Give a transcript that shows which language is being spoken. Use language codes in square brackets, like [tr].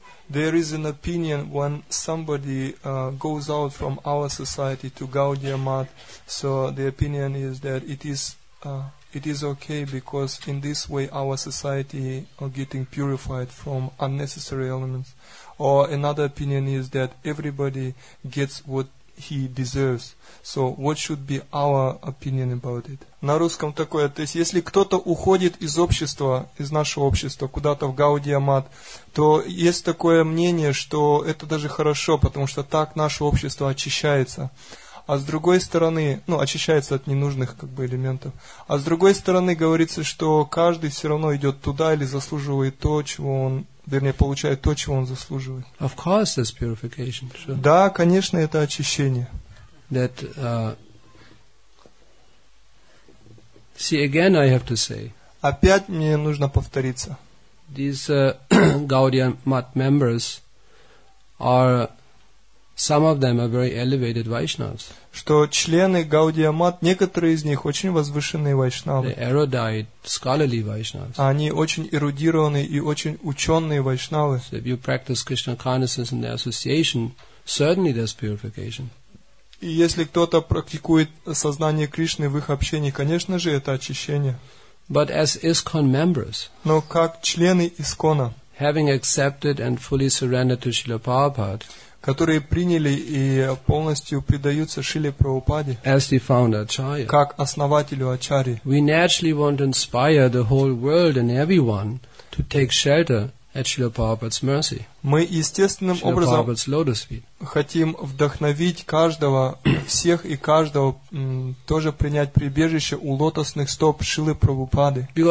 [en] There is an opinion when somebody goes out from our society to Gaudiya Math, so the opinion is that it is okay because in this way our society are getting purified from unnecessary elements. Or another opinion is that everybody gets what he deserves. So what should be our opinion about it? [ru] На русском такое, то есть если кто-то уходит из общества, из нашего общества, куда-то в Гаудия Мат, то есть такое мнение, что это даже хорошо, потому что так наше общество очищается. а с другой стороны, ну, очищается от ненужных как бы элементов. А с другой стороны, говорится, что каждый все равно идет туда или заслуживает то, чего он, вернее, получает то, чего он заслуживает. [en] Of course, that's purification. Sure. [ru] Да, конечно, это очищение. [en] That, see, again I have to say. [ru] Опять мне нужно повториться. [en] These Gaudiya Math members are, some of them are very elevated Vaishnavas. [ru] Что члены Gaudiya Math, некоторые из них очень возвышенные Вайшнавы. [en] They're erudite, scholarly Vaishnavas. [ru] Они очень эрудированные и очень ученые Вайшнавы. [en] So if you practice Krishna consciousness in the association, certainly there's purification. [ru] И если кто-то практикует сознание Кришны в их общении, конечно же, это очищение. [en] But as ISKCON members, [ru] но как члены ИСКОНа, [en] having accepted and fully surrendered to Srila Prabhupada, [ru] которые приняли и полностью предаются Шриле Прабхупаде, [en] as the founder Acharya, [ru] как основателю Ачарьи, [en] we naturally want to inspire the whole world and everyone to take shelter at Srila Prabhupada's mercy. [ru] Мы естественным образом хотим вдохновить каждого, всех и каждого тоже принять прибежище у лотосных стоп Шрилы Прабхупады.